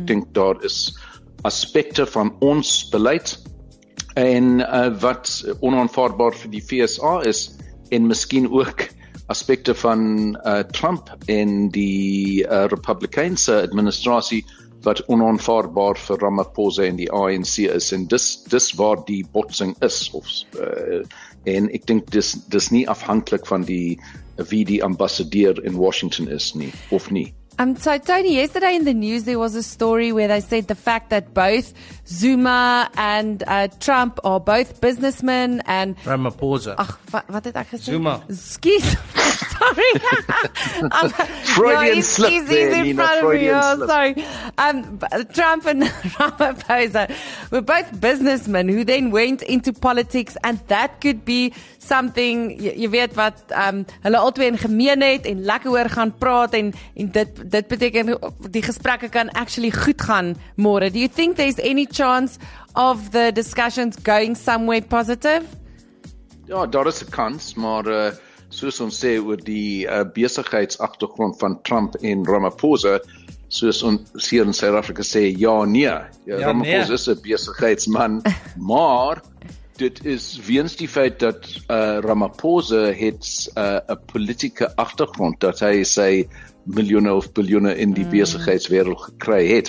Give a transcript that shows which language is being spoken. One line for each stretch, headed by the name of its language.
Afrikaans: Ek dink daar is aspekte van ons beleid en wat onaanvaardbaar vir die VSA is en miskien ook aspekte van Trump en die Republikeinse administrasie wat onaanvaardbaar vir Ramaphosa en die ANC is, en dis waar die botsing is of, en ek dink dis nie afhanklik van wie die ambassadeur in Washington is nie of nie.
English: So Tony, yesterday in the news there was a story where they said the fact that both Zuma and Trump are both businessmen and Ramaphosa.
Afrikaans: Ach, wat het ek gesê? Zuma.
English: Excuse me. sorry. Freudian slip there, Nina, Sorry. Trump and Ramaphosa were both businessmen who then went into politics, and that could be something,
Afrikaans: jy weet wat, hulle altyd in gemeen het en lekker oor gaan praat en dit beteken die gesprekke kan actually goed gaan môre.
English: Do you think there's any chance of the discussions going somewhere positive?
Afrikaans: Ja, daar is 'n kans, maar soos ons sê oor die besigheidsagtergrond van Trump en Ramaphosa, soos ons hier in Suid-Afrika sê, ja, nee. Ja, Ramaphosa is 'n besigheidsman, maar dit is weens die feit dat Ramaphosa het 'n politieke agtergrond, dat hy sy miljoene of biljoene in die besigheidswereld gekry het.